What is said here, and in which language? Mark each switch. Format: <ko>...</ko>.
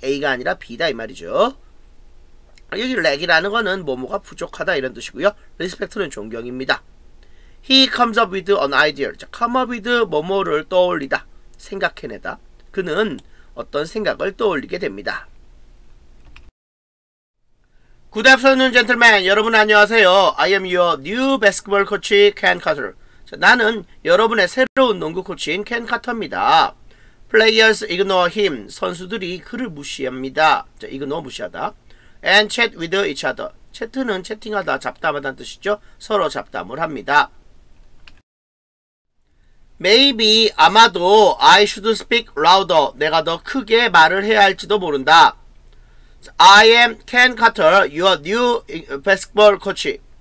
<ko>A가 아니라 B다 이 말이죠. 여기 lack이라는 거는 뭐뭐가 부족하다 이런 뜻이고요. respect는 존경입니다.</ko> <en>He comes up with an idea.</en> <ko>자, come up with 뭐뭐를 떠올리다. 생각해내다. 그는 어떤 생각을 떠올리게 됩니다.</ko> <en>Good afternoon, gentlemen.</en> <ko>여러분 안녕하세요.</ko> <en>I am your new basketball coach, Ken Carter.</en> <ko>자, 나는 여러분의 새로운 농구 코치인 Ken Carter입니다.</ko> <en>Players ignore him.</en> <ko>선수들이 그를 무시합니다. 자,</ko> <en>ignore</en> <ko>무시하다.</ko> <en>And chat with each other.</en> <ko>채트는 채팅하다, 잡담하다는 뜻이죠. 서로 잡담을 합니다.</ko> <en>Maybe,</en> <ko>아마도</ko> <en>I should speak louder.</en> <ko>내가 더 크게 말을 해야 할지도 모른다.</ko> <en>I am Ken Carter, your new basketball coach.</en>